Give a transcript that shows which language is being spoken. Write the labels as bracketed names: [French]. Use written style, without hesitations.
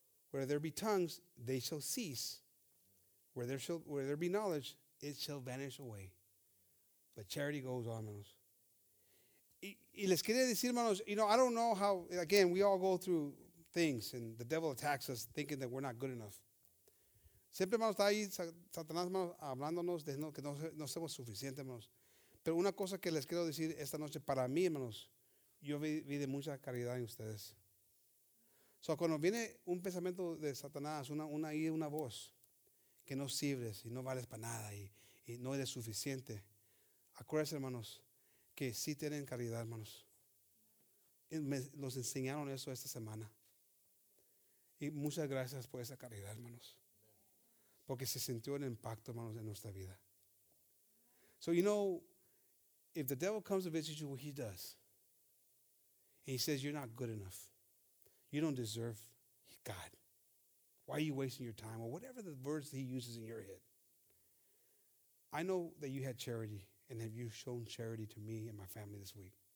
[English] Where there be tongues, they shall cease. Where there be knowledge, it shall vanish away. But charity goes on, hermanos. [Spanish] Y les quería decir, hermanos, [English] you know, I don't know how, again, we all go through things, and the devil attacks us thinking that we're not good enough. [Spanish] Siempre, hermanos, está ahí Satanás, hermanos, hablándonos de que no somos suficientes, hermanos. Pero una cosa que les quiero decir esta noche, para mí, hermanos, yo vi de mucha caridad en ustedes. So, cuando viene un pensamiento de Satanás, una voz, que no sirves y no vales para nada y no eres suficiente, acuérdense, hermanos, que sí tienen caridad, hermanos. Los enseñaron eso esta semana. Y muchas gracias por esa caridad, hermanos. Porque se sintió el impacto, hermanos, en nuestra vida. [English] So, you know, if the devil comes to visit you, what he does, and he says, you're not good enough. You don't deserve God. Why are you wasting your time? Or whatever the words that he uses in your head. I know that you had charity, and have you shown charity to me and my family this week.